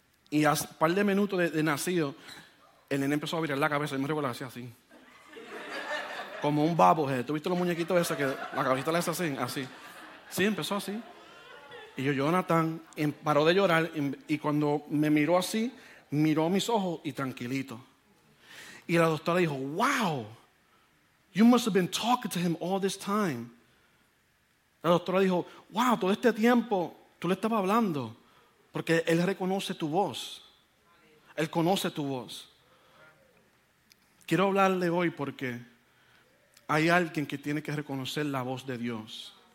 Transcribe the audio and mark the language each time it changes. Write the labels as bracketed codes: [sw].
[es] Y a un par de minutos de nacido, el nene empezó a virar la cabeza. Yo me recuerdo, así. Como un babo, ¿eh? ¿Tú viste los muñequitos esos que la cabecita le hace así? Así. Sí, empezó así. Y yo, Jonathan, paró de llorar y cuando me miró así, miró a mis ojos y tranquilito. Y la doctora dijo, [en] wow, you must have been talking to him all this time. [es] La doctora dijo, wow, todo este tiempo tú le estabas hablando porque él reconoce tu voz. Él conoce tu voz. Quiero hablarle hoy porque hay alguien que tiene que reconocer la voz de Dios.